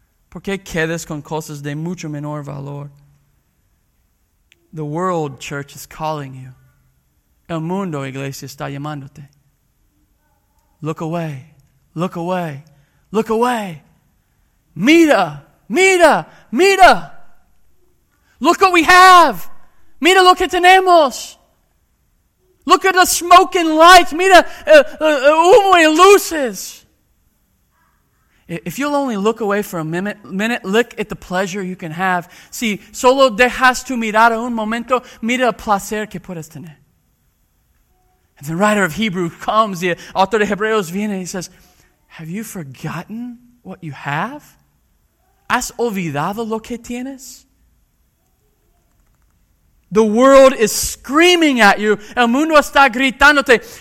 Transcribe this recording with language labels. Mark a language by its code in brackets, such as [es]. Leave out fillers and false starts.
[es] ¿Por qué quedas con cosas de mucho menor valor? [en] The world, church, is calling you. [es] El mundo, iglesia, está llamándote. [en] Look away. Look away. Look away. [es] Mira. Mira. Mira. [en] Look what we have. [es] Mira lo que tenemos. [en] Look at the smoke and light. [es] Mira humo y luces. [en] If you'll only look away for a minute, look at the pleasure you can have. [es] Si solo dejas tu mirar un momento, mira el placer que puedes tener. [en] And the writer of Hebrews comes, the author [es] de Hebreos viene, [en] and he says, have you forgotten what you have? [es] ¿Has olvidado lo que tienes? [en] The world is screaming at you. [es] El mundo está gritándote.